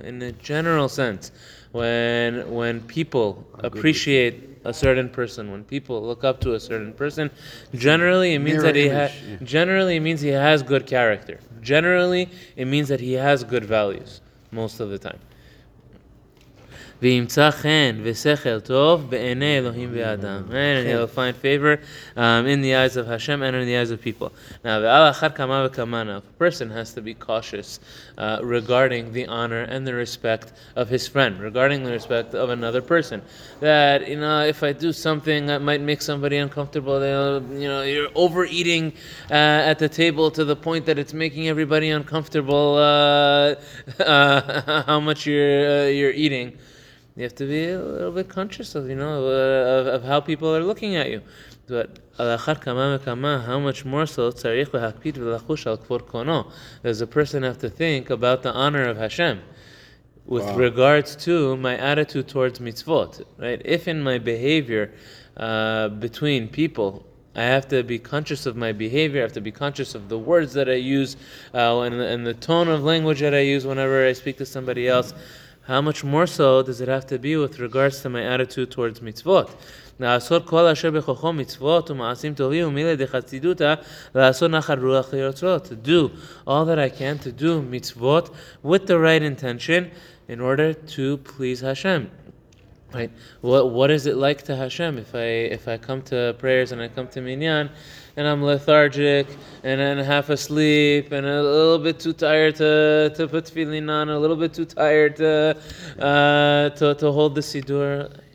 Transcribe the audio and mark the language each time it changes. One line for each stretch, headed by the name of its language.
English: In a general sense, when people appreciate a certain person, when people look up to a certain person, generally it means he has good character. Generally, it means that he has good values most of the time.
Hebrew: וימצא חן ושכל טוב בעיני אלוהים ואדם.
English: And he'll find favor in the eyes of Hashem and in the eyes of people. Now,
Hebrew: ועל אחר כמה וכמה,
English: a person has to be cautious regarding the honor and the respect of his friend, regarding the respect of another person. That, you know, if I do something that might make somebody uncomfortable, you're overeating at the table to the point that it's making everybody uncomfortable how much you're eating. You have to be a little bit conscious of, of how people are looking at you.
Hebrew: But al achar kama mekama,
English: how much more so
Hebrew: tzarich lehakpid v'lachush al kvod kono?
English: Does a person have to think about the honor of Hashem with wow. regards to my attitude towards mitzvot, right? If in my behavior between people, I have to be conscious of my behavior, I have to be conscious of the words that I use and the tone of language that I use whenever I speak to somebody else, how much more so does it have to be with regards to my attitude towards mitzvot?
Hebrew: לעשות כל אשר בכוחו מצוות ומעשים טובים ומילי דחסידותה לעשות נחת רוח ליוצרות.
English: To do all that I can to do mitzvot with the right intention in order to please Hashem. Right? What is it like to Hashem if I come to prayers and I come to minyan and I'm lethargic and half asleep and a little bit too tired to put tefillin on, a little bit too tired to hold the sidur?